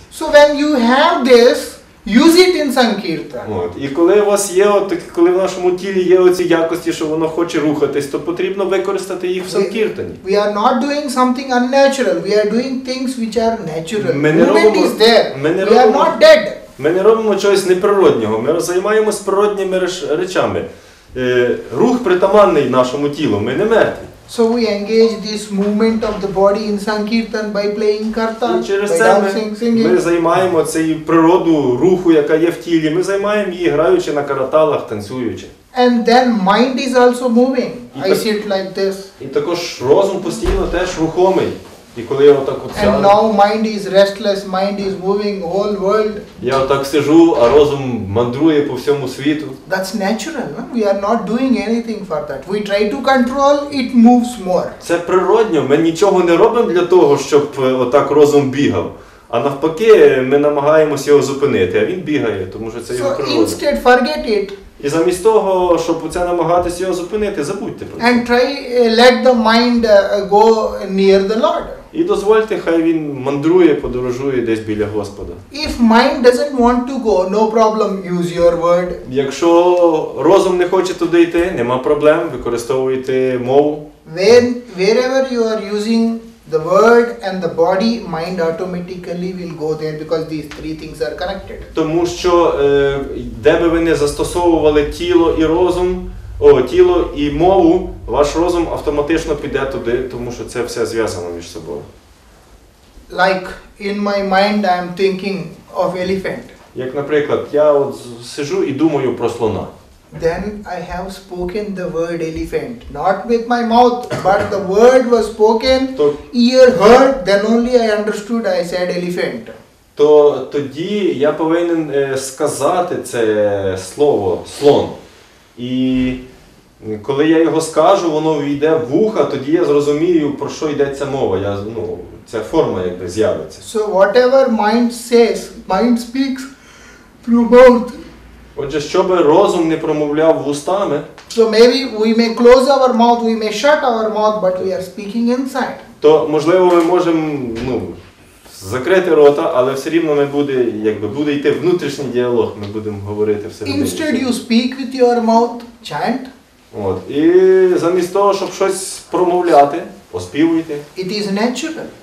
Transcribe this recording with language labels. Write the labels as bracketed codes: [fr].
[en] So when you have this, use it in sankirtan. [uk] От. І коли у вас є от, коли в нашому тілі є оці якості, що воно хоче рухатись, то потрібно використати їх в санкіртані. [en] We are not doing something unnatural. We are doing things which are natural. Movement is there. We are not dead. [uk] Ми не робимо чогось неприроднього. Ми займаємось природніми речами. Рух притаманний нашому тілу. Ми не мертві. [en] So we engage this movement of the body in sankirtan by playing kartan, [uk] Ми займаємо цю природу руху, яка є в тілі, ми займаємо її граючи на караталах, танцюючи. [en] And then mind is also moving. I see it like this. [uk] І також розум постійно теж рухомий. І коли я отак от сяду. [en] And now mind is restless, mind is moving whole world. [uk] Я отак сижу, а розум мандрує по всьому світу. [en] That's natural. No? We are not doing anything for that. We try to control, it moves more. [uk] Це природньо. Ми нічого не робимо для того, щоб отак розум бігав. А навпаки, ми намагаємося його зупинити, а він бігає, тому що це його природа. [en] So instead, forget it. [uk] І замість того, щоб оце намагатися його зупинити, забудьте про це. [en] And try let the mind go near the Lord. [uk] І дозвольте, хай він мандрує, подорожує десь біля Господа. [en] If mind doesn't want to go, no problem, use your word. [uk] Якщо розум не хоче туди йти, нема проблем, використовуйте мову. [en] Wherever you are using the word and the body, mind automatically will go there because these three things are connected. [uk] Тому що де би ви не застосовували тіло і розум, тіло і мову, ваш розум автоматично піде туди, тому що це все зв'язано між собою. [en] Like in my mind I am thinking of elephant. [uk] Як, наприклад, я от сижу і думаю про слона. [en] Then I have spoken the word elephant, not with my mouth, but the word was spoken, ear heard, then only I understood I said elephant. [uk] То тоді я повинен сказати це слово слон. І коли я його скажу, воно увійде в вуха, тоді я зрозумію, про що йдеться мова. Я, ну, ця форма якби з'явиться. [en] So whatever mind says, mind speaks through mouth. [uk] Отже, щоб розум не промовляв вустами. [en] So maybe we may close our mouth, we may shut our mouth, but we are speaking inside. [uk] То, можливо, ми можемо, ну, закрити рота, але все рівно ми буде, якби буде йти внутрішній діалог, ми будемо говорити все. [en] Instead you speak with your mouth, chant. [uk] От. І замість того, щоб щось промовляти, оспівуйте. [en] It is natural.